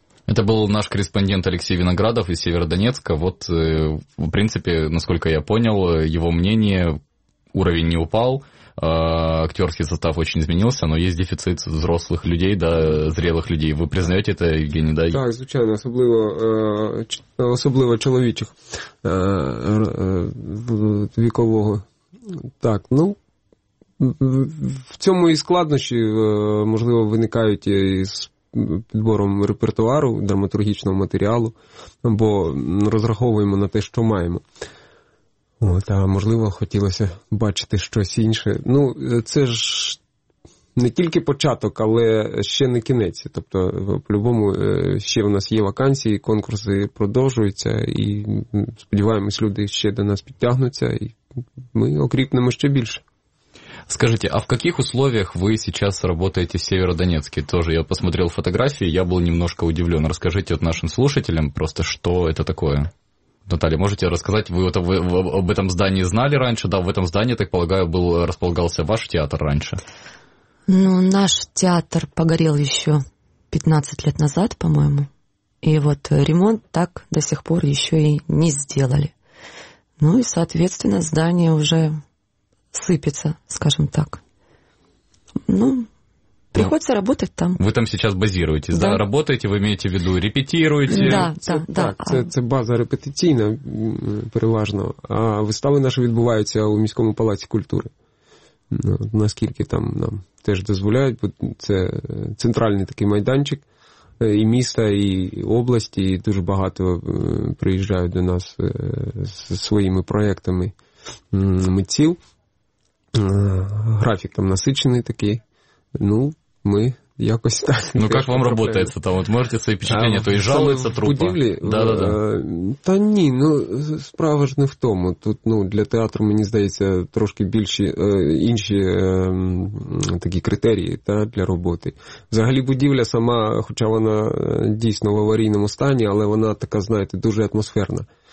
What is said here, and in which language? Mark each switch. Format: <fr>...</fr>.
<ru>Это был наш корреспондент Алексей Виноградов из Северодонецка. Вот, в принципе, насколько я понял, его мнение, уровень не упал, актерский состав очень изменился, но есть дефицит взрослых людей, да, зрелых людей. Вы признаете это, Евгений, да?</ru> <uk>Так, звичайно, особливо, особливо чоловічих вікового. Так, ну, в цьому і складнощі, можливо, виникають із підбором репертуару, драматургічного матеріалу, бо розраховуємо на те, що маємо. От, а можливо, хотілося бачити щось інше. Ну, це ж не тільки початок, але ще не кінець. Тобто, по-любому, ще в нас є вакансії, конкурси продовжуються, і сподіваємось, люди ще до нас підтягнуться, і ми окріпнемо ще більше.</uk> <ru>Скажите, а в каких условиях вы сейчас работаете в Северодонецке? Тоже я посмотрел фотографии, я был немножко удивлен. Расскажите вот нашим слушателям просто, что это такое. Наталья, можете рассказать, вы об этом здании знали раньше? Да, в этом здании, так полагаю, располагался ваш театр раньше. Ну, наш театр погорел еще 15 лет назад, по-моему. И вот ремонт так до сих пор еще и не сделали. Ну и, соответственно, здание уже сыпется, скажем так. Ну, приходится работать там. Вы там сейчас базируетесь, да? Работаете, вы имеете в виду, репетируете? Да.</ru> <uk>Це база репетиційна, переважно. А вистави наші відбуваються у міському палаці культури. Ну, наскільки там нам теж дозволяють, бо це центральний такий майданчик і міста, і області, і дуже багато приїжджають до нас зі своїми проєктами митців.</uk> <ru>График там насыщенный такой.</ru> <uk>Ну, мы якось так.</uk> <ru>Ну, как вам работается там? Вот можете свои впечатления, то есть жалуется труппа.</ru> <uk>Будівлі?</uk> <ru>Да.</ru> <uk>Та ні, ну, справа ж не в тому. Тут, ну, для театру, мені здається, трошки більші, інші такі критерії, та, для роботи. Взагалі, будівля сама, хоча вона дійсно в аварійному стані, але вона така, знаєте, дуже атмосферна.</uk>